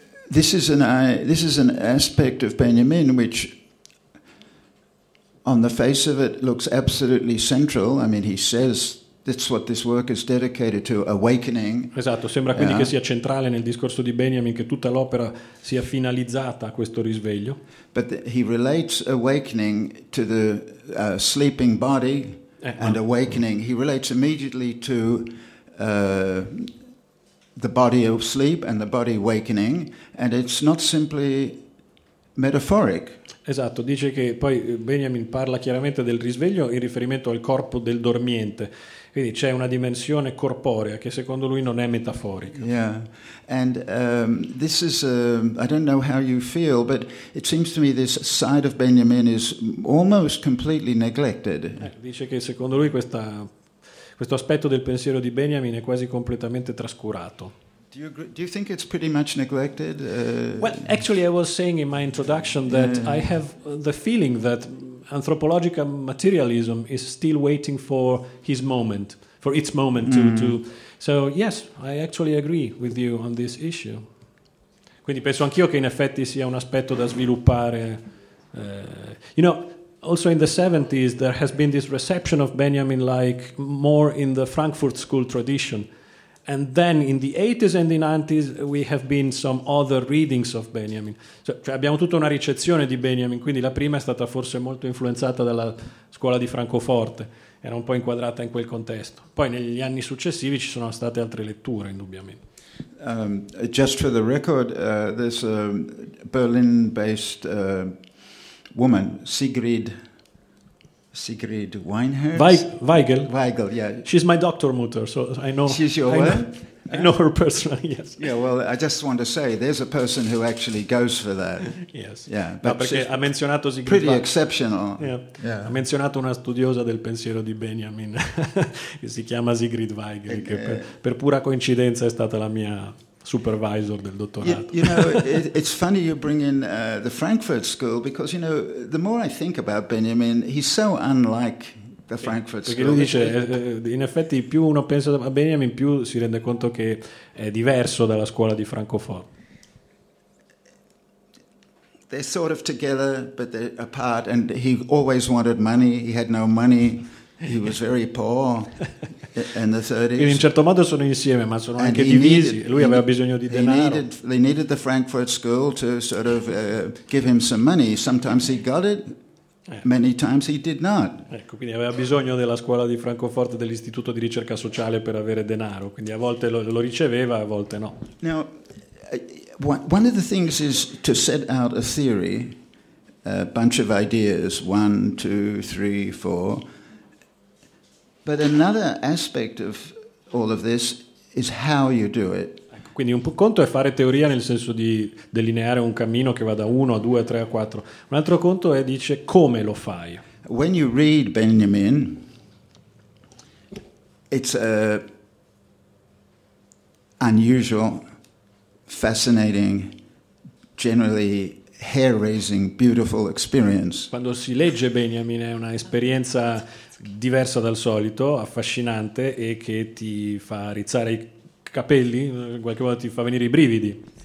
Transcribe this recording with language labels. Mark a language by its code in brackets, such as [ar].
[en] This is an aspect of Benjamin which on the face of it looks absolutely central. I mean, he says that's what this work is dedicated to, awakening. [it] Esatto, sembra quindi che sia centrale nel discorso di Benjamin che tutta l'opera sia finalizzata a questo risveglio. [en] But he relates awakening to the sleeping body and awakening. He relates immediately to the body of sleep and the body awakening, and it's not simply metaphoric. [it] Esatto, dice che poi Benjamin parla chiaramente del risveglio in riferimento al corpo del dormiente. Quindi c'è una dimensione corporea che secondo lui non è metaforica. [en] Yeah. And this is I don't know how you feel, but it seems to me this side of Benjamin is almost completely neglected. [it] Dice che secondo lui questo aspetto del pensiero di Benjamin è quasi completamente trascurato. [en] Do you think it's pretty much neglected? Well, actually I was saying in my introduction that I have the feeling that anthropological materialism is still waiting for his moment, for its moment to. So yes, I actually agree with you on this issue. [it] Quindi penso anch'io che in effetti sia un aspetto da sviluppare. [en] You know, also in the 70s there has been this reception of Benjamin like more in the Frankfurt School tradition, and then in the 80s and the 90s we have been some other readings of Benjamin. [it] Cioè abbiamo tutta una ricezione di Benjamin, quindi la prima è stata forse molto influenzata dalla scuola di Francoforte, era un po' inquadrata in quel contesto. Poi negli anni successivi ci sono state altre letture, indubbiamente. [en] Just for the record, there's a Berlin-based woman, Sigrid Weinherz? Weigel, yeah. She's my doctor mutter, so I know. She's your wife? I know her personally, yes. Yeah, well, I just want to say, there's a person who actually goes for that. Yes. Yeah. [it] But no, perché ha menzionato Sigrid. [en] Pretty exceptional. Yeah. [it] Ha menzionato una studiosa del pensiero di Benjamin, che si chiama Sigrid Weigel, che per pura coincidenza è stata la mia supervisor del dottorato. [en] You know, it's funny you bring in the Frankfurt School, because you know, the more I think about Benjamin, he's so unlike the Frankfurt School. [it] Perché lui dice, in effetti, più uno pensa a Benjamin, più si rende conto che è diverso dalla scuola di Francoforte. [en] They're sort of together, but they're apart. And he always wanted money. He had no money. He was very poor in the 30s. [it] Quindi in certo modo sono insieme, ma sono anche divisi. Lui aveva bisogno di denaro. [en] They needed the Frankfurt School to sort of give him some money. Sometimes he got it, many times he did not. [it] Ecco, quindi aveva bisogno della scuola di Francoforte, dell'istituto di ricerca sociale, per avere denaro. Quindi a volte lo riceveva, a volte no. [en] Now, one of the things is to set out a theory, a bunch of ideas, 1, 2, 3, 4. But another aspect of all of this is how you do it. [it] Quindi un conto è fare teoria nel senso di delineare un cammino che va da 1 a 2 a 3 a 4. Un altro conto è dice come lo fai. [en] When you read Benjamin, it's a unusual, fascinating, generally hair-raising, beautiful experience. [it] Quando si legge Benjamin è una esperienza diversa dal solito, affascinante, e che ti fa rizzare i capelli, in qualche modo ti fa venire i brividi.